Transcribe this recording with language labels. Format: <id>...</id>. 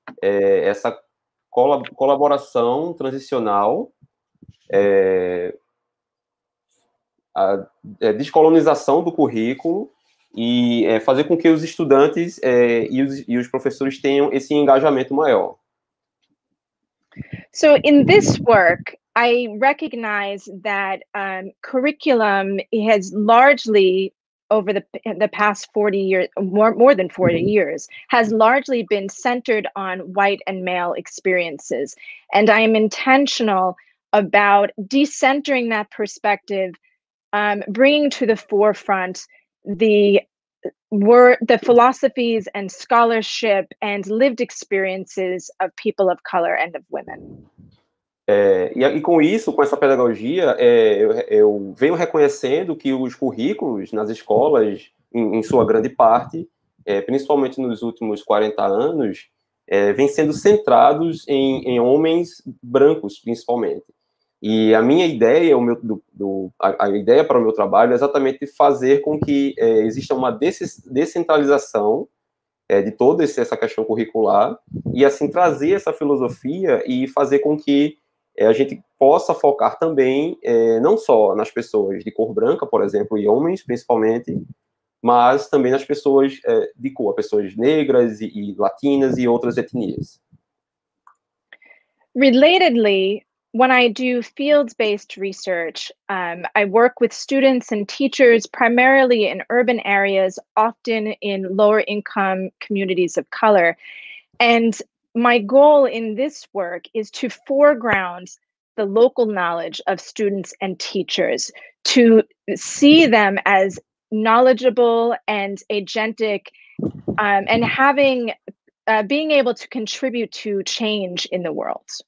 <pt>Essa colaboração transicional, a descolonização do currículo e fazer com que os estudantes e os professores tenham esse engajamento maior.</pt> <en>So, in this work, I recognize that curriculum has largely, over the past 40 years, more than 40 years, has largely been centered on white and male experiences. And I am intentional about decentering that perspective, bringing to the forefront the philosophies and scholarship and lived experiences of people of color and of women.</en> <pt>E com isso, com essa pedagogia, eu venho reconhecendo que os currículos nas escolas, em sua grande parte, principalmente nos últimos 40 anos, vêm sendo centrados em homens brancos, principalmente. E a minha ideia, a ideia para o meu trabalho é exatamente fazer com que exista uma descentralização de toda essa questão curricular e, assim, trazer essa filosofia e fazer com que a gente possa focar também não só nas pessoas de cor branca, por exemplo, e homens principalmente, mas também nas pessoas de cor, pessoas negras e latinas e outras etnias.</pt> <en>Relatedly, when I do field-based research, I work with students and teachers primarily in urban areas, often in lower-income communities of color, and my goal in this work is to foreground the local knowledge of students and teachers, to see them as knowledgeable and agentic, and having, being able to contribute to change in the world.</en>